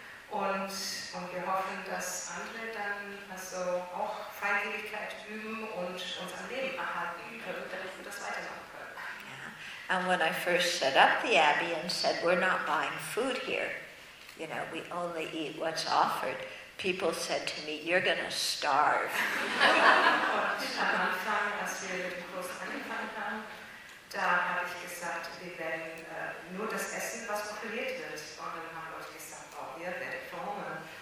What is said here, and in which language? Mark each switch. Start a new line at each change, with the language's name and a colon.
German: Und wir hoffen, dass andere dann also auch Freigebigkeit üben und unser Leben erhalten können, damit wir das weitermachen können.
English: Yeah. And when I first set up the Abbey and said, we're not buying food here, you know, we only eat what's offered, people said to me, you're going to starve.
German: Und am Anfang, als wir mit dem Kurs angefangen haben, da habe ich gesagt, wir werden nur das Essen, was offeriert wird. Und dann haben Leute gesagt, oh, ihr werdet verhungern.